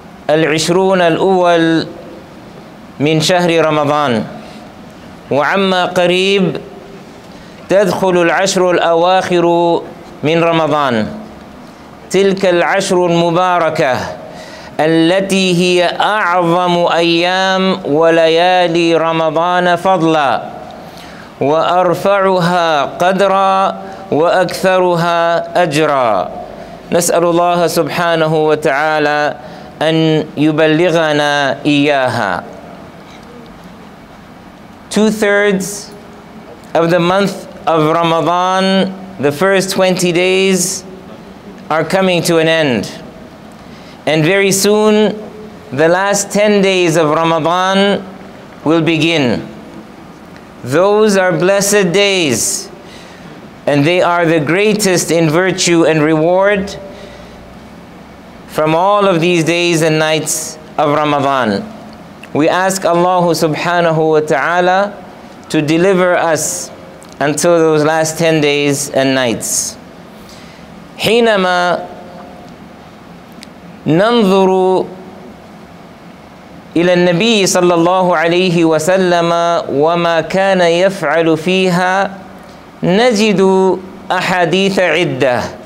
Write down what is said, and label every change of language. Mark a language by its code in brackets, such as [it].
[ar] العشرون الأول من شهر رمضان، وعما قريب تدخل العشر الأواخر من رمضان، تلك العشر المباركة التي هي أعظم أيام وليالي رمضان فضلا، وأرفعها قدرا، وأكثرها أجرا. نسأل الله سبحانه وتعالى أن يبلغنا إياها. [en] Two-thirds of the month of Ramadan, the first 20 days, are coming to an end. And very soon, the last 10 days of Ramadan will begin. Those are blessed days, and they are the greatest in virtue and reward from all of these days and nights of Ramadan. We ask Allah subhanahu wa ta'ala to deliver us until those last 10 days and nights. [ar] حينما ننظر إلى النبي صلى الله عليه وسلم وما كان يفعل فيها نجد أحاديث عدة.